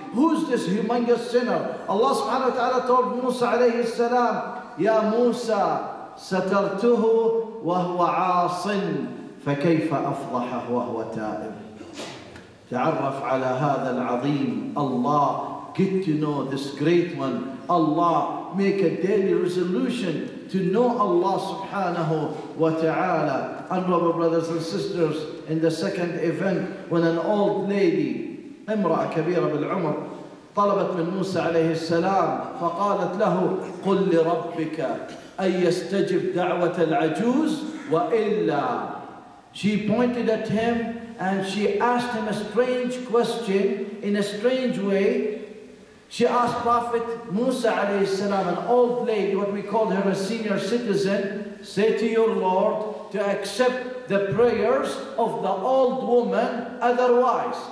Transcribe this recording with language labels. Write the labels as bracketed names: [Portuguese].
[English] Who's this humongous sinner? Allah subhanahu wa ta'ala told Musa alayhi salam, Ya Musa, [Arabic] سَتَرْتُهُ وَهُوَ عَاصٍ فَكَيْفَ أَفْضَحَهُ وَهُوَ تَائِبٌ. تعرف على هذا العظيم, [English] Allah, get to know this great one, Allah, make a daily resolution to know Allah subhanahu wa ta'ala. Honorable brothers and sisters, in the second event, when an old lady, [Arabic] امرأة كبيرة بالعمر, طلبت من موسى عليه السلام, فقالت له, قل لربك أن يستجب دعوة العجوز وإلا. [English] She pointed at him and she asked him a strange question in a strange way. She asked Prophet Musa alayhi salam, an old lady, what we call her a senior citizen, say to your Lord to accept the prayers of the old woman otherwise.